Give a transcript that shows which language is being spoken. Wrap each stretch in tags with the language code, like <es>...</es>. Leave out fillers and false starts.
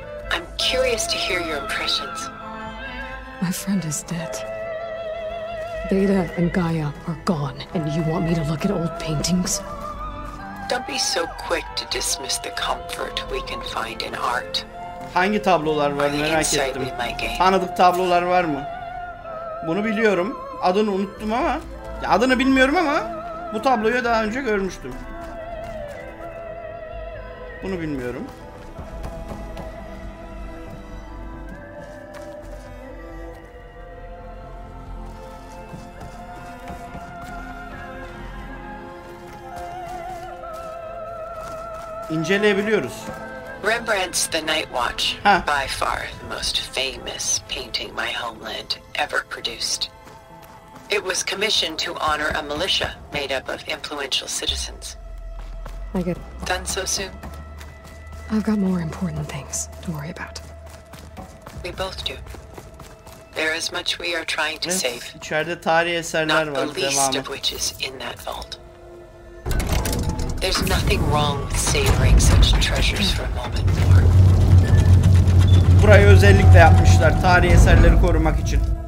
<en>I'm curious to hear your impressions. My friend is dead. Beta and Gaia are gone, and you want me to look at old paintings? Don't be so quick to dismiss the comfort we can find in art.</en> <tr>Hangi tablolar var merak ettim. Tanıdık tablolar var mı? Bunu biliyorum. Adını unuttum ama. Adını bilmiyorum ama bu tabloyu daha önce görmüştüm. Bunu bilmiyorum. İnceleyebiliyoruz.</tr> <en>Rembrandt's The Night Watch, huh, by far the most famous painting my homeland ever produced. It was commissioned to honor a militia made up of influential citizens. I get done so soon? I've got more important things to worry about. We both do. There is much we are trying to save.</en> <tr>İçeride tarih eserler var, devamı.</tr> <en>Of which is in that vault. There's nothing wrong with savoring such treasures for a moment more.</en> <tr>Burayı özellikle yapmışlar tarih eserleri korumak için.</tr>